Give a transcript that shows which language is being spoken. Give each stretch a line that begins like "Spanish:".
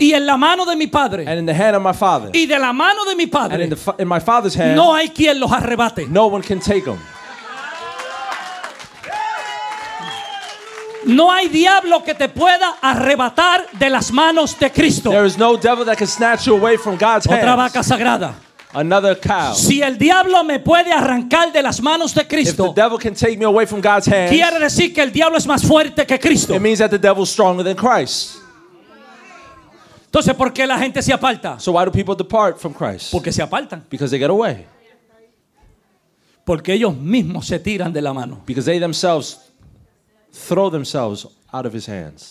Spanish: Y en la mano de mi padre.
English: And in the hand of my father.
Spanish: Y de la mano de mi padre.
English: And in my father's hand.
Spanish: No hay quien los arrebate.
English: No one can take them.
Spanish: No hay diablo que te pueda arrebatar de las manos de Cristo.
English: There is no devil that can snatch you away from God's hands.
Spanish: Otra vaca sagrada.
English: Another cow.
Spanish: Si el diablo me puede arrancar de las manos de Cristo,
English: if the devil can take me away from God's hands,
Spanish: quiere decir que el diablo es más fuerte que Cristo.
English: It means that the devil is stronger than Christ.
Spanish: Entonces, ¿por qué la gente se aparta?
English: So why do people depart from Christ?
Spanish: Porque se apartan.
English: Because they get away.
Spanish: Porque ellos mismos se tiran de la mano.
English: Because they themselves throw themselves out of his hands.